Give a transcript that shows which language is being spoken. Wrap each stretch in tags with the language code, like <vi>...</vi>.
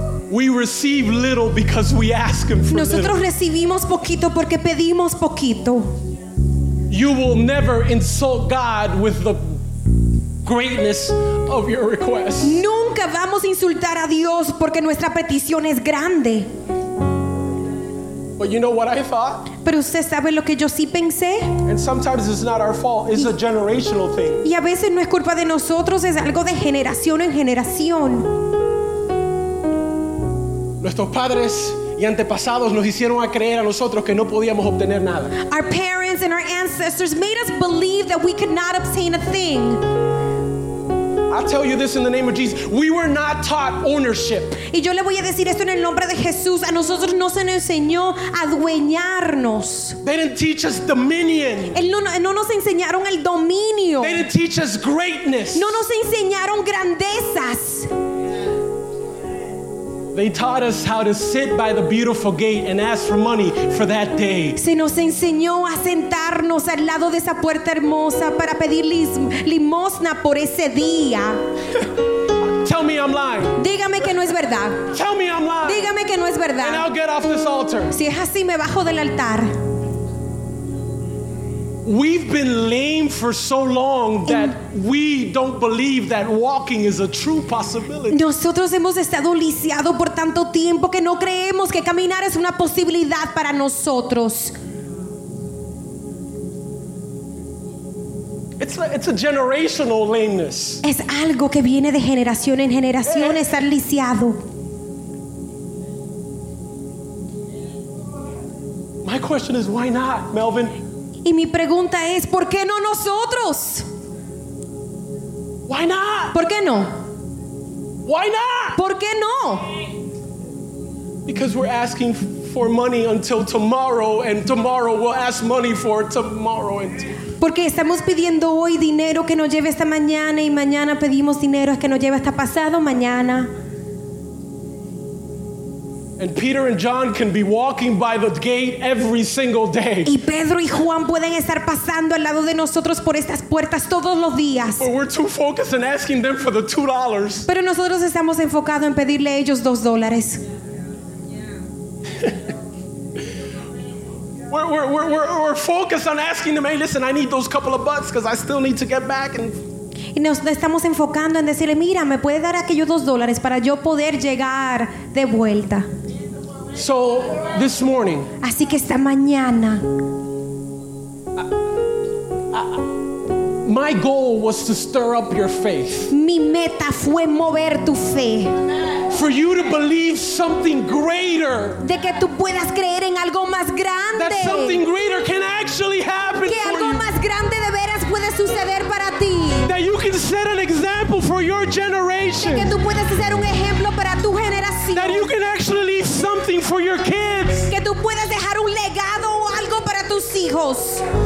<en>We receive little because we ask him for</en> <es>Nosotros Recibimos poquito porque pedimos poquito.</es> <en>You will never insult God with the greatness of your request.</en> <es>Nunca vamos a insultar a Dios porque nuestra petición es grande.</es> <en>But you know what I thought?</en> <es>Pero usted sabe lo que yo sí pensé.</es> <en>And sometimes it's not our fault. It's a generational thing.</en> <es>Y a veces no es culpa de nosotros, es algo de generación en generación. Nuestros padres y antepasados nos hicieron a creer a nosotros que no podíamos obtener nada.</es> <en>Our parents and our ancestors made us believe that we could not obtain a thing. I'll tell you this in the name of Jesus. We were not taught ownership.</en> <es>Y yo le voy a decir esto en el nombre de Jesús. A nosotros no se nos enseñó a adueñarnos.</es> <en>They didn't teach us dominion.</en> <es>No nos enseñaron el dominio.</es> <en>They didn't teach us greatness.</en> <es>No nos enseñaron grandezas.</es> <en>They taught us how to sit by the beautiful gate and ask for money for that day.</en> <es>Se nos enseñó a sentarnos al lado de esa puerta hermosa para pedir limosna por ese día.</es> <en>Tell me I'm lying.</en> <es>Dígame que no es verdad.</es> <en>Tell me I'm lying.</en> <es>Dígame que no es verdad.</es> <en>And I'll get off this altar.</en> <es>Si es así, me bajo del altar.</es> <en>We've been lame for so long that we don't believe that walking is a true possibility.</en> <es>Nosotros hemos estado lisiado por tanto tiempo que no creemos que caminar es una posibilidad para nosotros.</es> <en>It's a generational lameness.</en> <es>Es algo que viene de generación en generación, estar lisiado.</es> <en>My question is, why not, Melvin?</en> <es>Y mi pregunta es, ¿por qué no nosotros?</es> <en>Why not?</en> <es>¿Por qué no?</es> <en>Why not?</en> <es>¿Por qué no?</es> <en>Because we're asking for money until tomorrow, and tomorrow we'll ask money for tomorrow.</en> <es>Porque estamos pidiendo hoy dinero que nos lleve hasta mañana, y mañana pedimos dinero que nos lleve hasta pasado mañana.</es> <en>And Peter and John can be walking by the gate every single day.</en> <es>Y Pedro y Juan pueden estar pasando al lado de nosotros por estas puertas todos los días.</es> <en>But we're too focused on asking them for the $2.</en> <es>Pero nosotros estamos enfocados en pedirle a ellos $2.</es> <en>We're focused on asking them, hey, listen, I need those couple of bucks because I still need to get back and.</en> <es>Y nos estamos enfocando en decirle, mira, me puede dar aquellos $2 para yo poder llegar de vuelta.</es> <en>So, this morning,</en> <es>así que esta mañana,</es> <en>my goal was to stir up your faith.</en> <es>Mi meta fue mover tu fe.</es> <en>For you to believe something greater.</en> <es>De que tú puedas creer en algo más grande.</es> <en>That something greater can actually happen.</en> <es>Que algo más grande de veras puede suceder para ti.</es> <en>That you can set an example for your generation.</en> <es>De que tú puedas ser un ejemplo para tu generación.</es> <en>That you can actually leave something for your kids.</en> <es>Que tú puedas dejar un legado o algo para tus hijos.</es>